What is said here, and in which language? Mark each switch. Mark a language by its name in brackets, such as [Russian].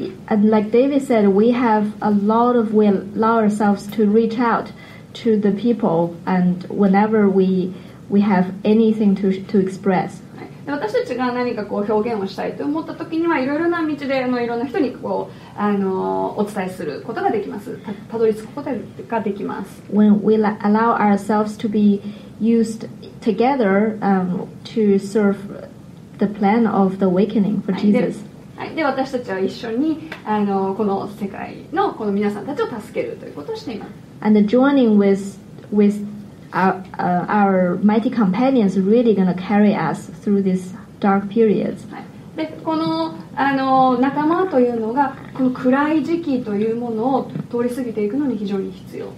[English] And like David said, we have a lot of we allow ourselves to reach out to the people, and whenever we have anything to express. [Japanese] 私たちが何かこう表現をしたいと思った時にはいろいろな道でいろんな人にこうお伝えすることができます。たどり着くことができます。 [English] When we allow ourselves to be used together, to serve the plan of the awakening for Jesus. [Japanese] はい、で、はい、で私たちは一緒にこの世界のこの皆さんたちを助けるということをしています。 [English] And joining withOur mighty companions really going to carry us through this dark period. [Japanese] で、この、仲間というのがこの暗い時期というものを通り過ぎていくのに非常に必要。